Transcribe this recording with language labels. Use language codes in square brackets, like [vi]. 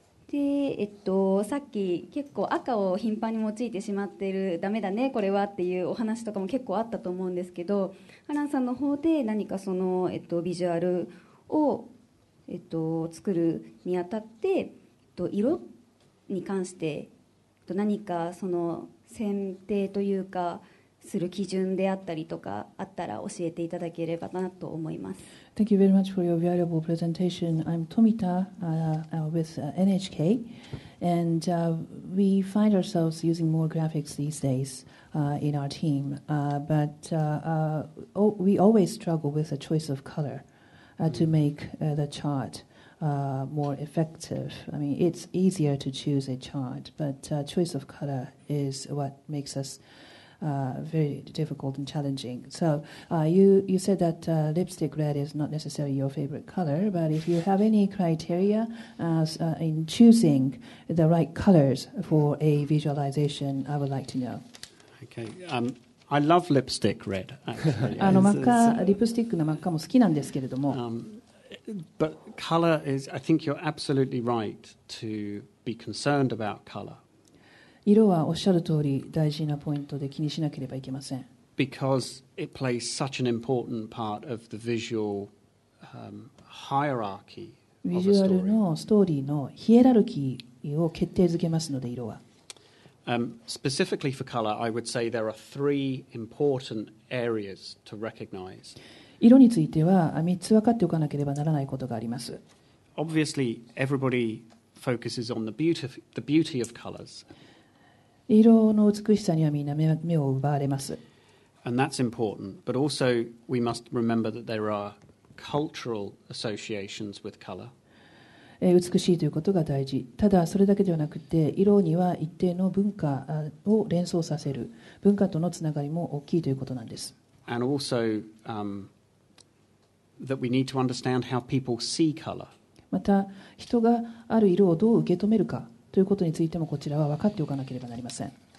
[ja] でさっき結構赤を頻繁に用いてしまっている、ダメだねこれはっていうお話とかも結構あったと思うんですけど、アランさんの方で何かその、ビジュアルを作るにあたって、色に関して、何かその選定というかする基準であったりとかあったら教えていただければなと思います。 [en] Thank you very much for your valuable presentation. I'm Tomita with NHK, and we find ourselves using more graphics these days in our team, but we always struggle with a choice of colorto make the chart more effective. I mean, it's easier to choose a chart, but choice of color is what makes us very difficult and challenging. So you said that lipstick red is not necessarily your favorite color, but if you have any criteria as, in choosing the right colors for a visualization, I would like to know. Okay. I love lipstick red, actually. [ja] リプスティックの真っ赤も好きなんですけれども。 [en] But color is, I think you're absolutely right to be concerned about color. [ja] 色はおっしゃる通り大事なポイントで気にしなければいけません。 [en] Because it plays such an important part of the visual hierarchy of a story. [ja] ビジュアルのストーリーのヒエラルキーを決定づけますので、色は。 [en] Specifically for color, I would say there are three important areas to recognize. [ja] 色については3つ分かっておかなければならないことがあります。 [en] Obviously, everybody focuses on the beauty of colors. [ja] 色の美しさにはみんな目を奪われます。 [en] And that's important. But also, we must remember that there are cultural associations with color. [ja] 美しいということが大事。ただそれだけではなくて、色には一定の文化を連想させる。文化とのつながりも大きいということなんです。 [en] And also, that we need to understand how people see color. [ja] また人がある色をどう受け止めるかということについてもこちらは分かっておかなければなりません。